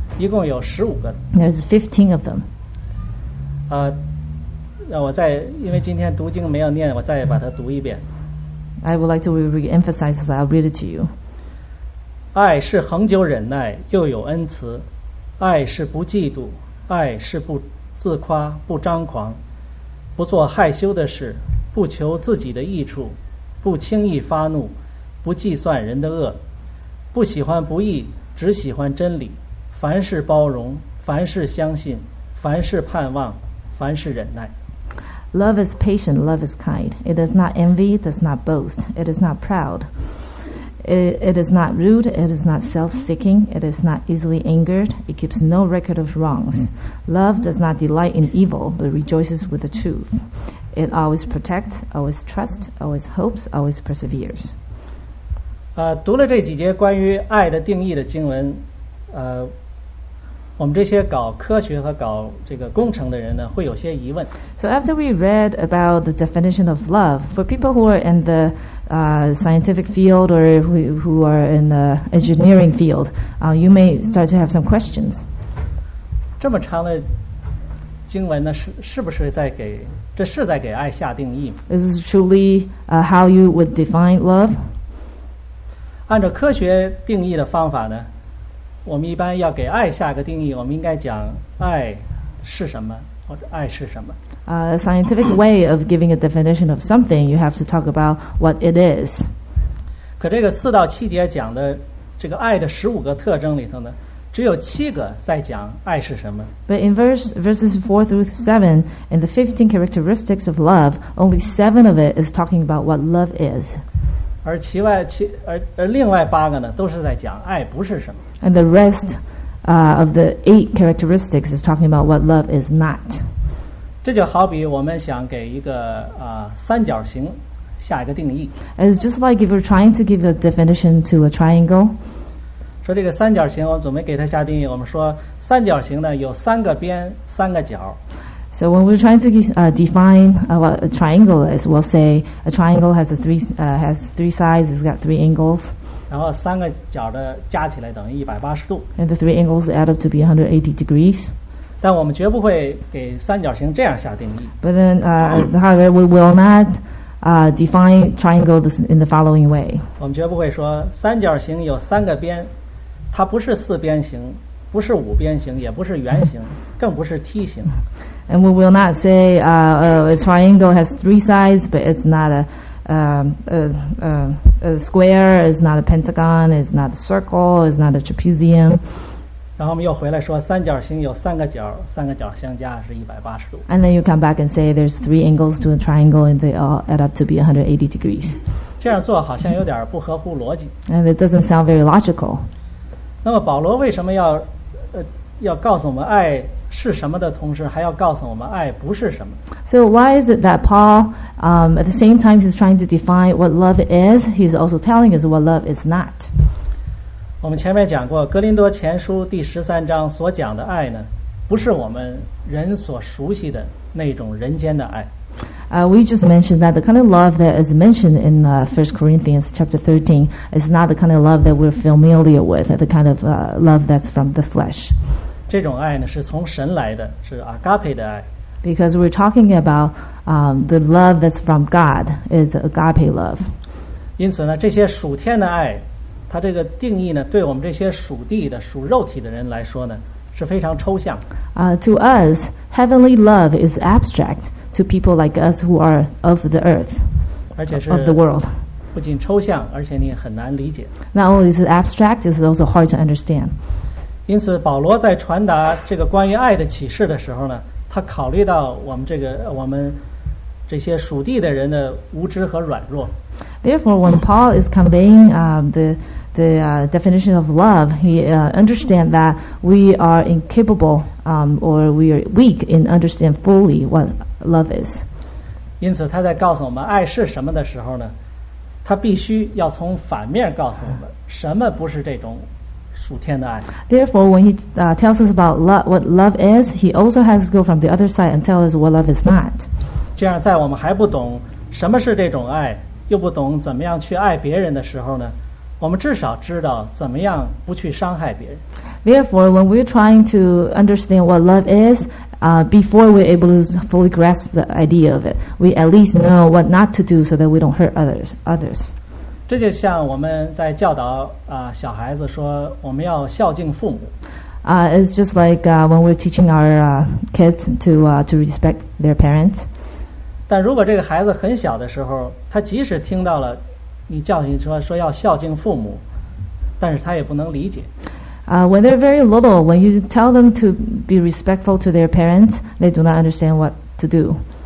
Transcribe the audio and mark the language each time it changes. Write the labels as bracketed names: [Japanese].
[Chinese] 一共有十五个。 [English] There's 15 of them. [Chinese] 我再因为今天读经没有念，我再把它读一遍。 [English] I would like to re-emphasize that. I'll read it to you. [Chinese] 爱是恒久忍耐，又有恩慈；爱是不嫉妒，爱是不自夸，不张狂。不做害羞的事，不求自己的益处，不轻易发怒，不计算人的恶，不喜欢不义，只喜欢真理。凡事包容，凡事相信，凡事盼望，凡事忍耐。 [English] Love is patient, love is kind. It does not envy, it does not boast, it is not proud. It is not rude, it is not self-seeking, it is not easily angered, it keeps no record of wrongs. Love does not delight in evil, but rejoices with the truth. It always protects, always trusts, always hopes, always perseveres. [Chinese] 读了这几节关于爱的定义的经文，我们这些搞科学和搞这个工程的人呢，会有些疑问。 [English] So after we read about the definition of love, for people who are in the scientific field or who are in the engineering field, you may start to have some questions. [Chinese] 这么长的经文呢，是在给爱下定义吗？ [English] Is this truly how you would define love? [Chinese] 按照科学定义的方法呢？我们一般要给爱下个定义，我们应该讲爱是什么，或者爱是什么。 [English] Scientific way of giving a definition of something, you have to talk about what it is. [Chinese] 可这个四到七节讲的这个爱的十五个特征里头呢，只有七个在讲爱是什么。 [English] But in verses 4 through 7, in the 15 characteristics of love, only 7 of it is talking about what love is. [Chinese] 而其外而另外八个呢，都是在讲爱不是什么。 [English] And the rest of the 8 characteristics is talking about what love is not. [Chinese] 这就好比我们想给一个三角形下一个定义。 [English] It's just like if you're trying to give a definition to a triangle. [Chinese] 说这个三角形，我准备给它下定义。我们说三角形呢有三个边，三个角。 [English] So when we're trying to define what a triangle is, we'll say a triangle has three sides, it's got three angles. [Chinese] 然后三个角的加起来等于180°。 [English] And the three angles add up to be 180°. [Chinese] 但我们绝不会给三角形这样下定义。 [English] But then, however, we will not. Define triangle in the following way. [Chinese] 我们绝不会说三角形有三个边，它不是四边形，不是五边形，也不是圆形，更不是梯形。 [English] And we will not say a triangle has three sides, but it's not a square, it's not a pentagon, it's not a circle, it's not a trapezium. [Chinese] 然后我们又回来说三角形有三个角，三个角相加是180°。 [English] And then you come back and say there's three angles to a triangle and they all add up to be 180°. [Chinese] 这样做好像有点不合乎逻辑。 [English] And it doesn't sound very logical. [Chinese] 那么保罗为什么要要告诉我们爱是什么的同时还要告诉我们爱不是什么？ [English] So why is it that Paul, at the same time he's trying to define what love is, he's also telling us what love is not. [Chinese] 我们前面讲过哥林多前书第十三章所讲的爱呢不是我们人所熟悉的那种人间的爱。 [English] We just mentioned that the kind of love that is mentioned in 1 Corinthians chapter 13 is not the kind of love that we're familiar with, the kind of love that's from the flesh. [Chinese] 这种爱呢是从神来的，是 agape 的爱。 [English] Because we're talking about the love that's from God is agape love. [Chinese] 因此呢这些属天的爱它这个定义呢对我们这些属地的属肉体的人来说呢是非常抽象。 [English] To us, heavenly love is abstract to people like us who are of the earth, of the world. [Chinese] 不仅抽象而且你很难理解。 [English] Not only is it abstract, it's also hard to understand. [Chinese] 因此保罗在传达这个关于爱的启示的时候呢他考虑到我们这些属地的人的无知和软弱。 [English] Therefore, when Paul is conveying the definition of love, he understands that we are incapable or we are weak in understanding fully what love is. [Chinese] 因此他在告诉我们爱是什么的时候呢，他必须要从反面告诉我们什么不是这种属天的爱。 [English] Therefore, when he tells us about love, what love is, he also has to go from the other side and tell us what love is not. [Chinese] 这样在我们还不懂什么是这种爱又不懂怎么样去爱别人的时候呢，我们至少知道怎么样不去伤害别人。 [English] Therefore, when we're trying to understand what love is, before we're able to fully grasp the idea of it, we at least know what not to do so that we don't hurt others. [Chinese] 这就像我们在教导小孩子说我们要孝敬父母。 [English] It's just like when we're teaching our kids to respect their parents. [Chinese] 但如果这个孩子很小的时候他即使听到了你教训说要孝敬父母但是他也不能理解。 [English] When they're very little, when you tell them to be respectful to their parents, they do not understand what to do.